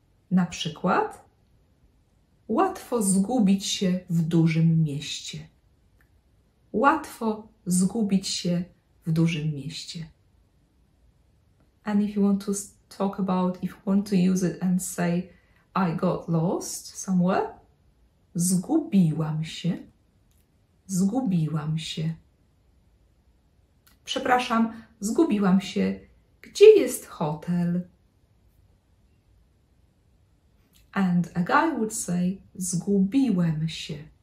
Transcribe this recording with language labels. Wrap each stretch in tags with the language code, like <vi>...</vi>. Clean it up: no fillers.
<pl>Na przykład, łatwo zgubić się w dużym mieście. Łatwo zgubić się w dużym mieście.</pl> <en>And if you want to talk about, if you want to use it and say, I got lost somewhere,</en> <pl>zgubiłam się, zgubiłam się. Przepraszam, zgubiłam się, gdzie jest hotel?</pl> <en>And a guy would say,</en> <pl>zgubiłem się,</pl>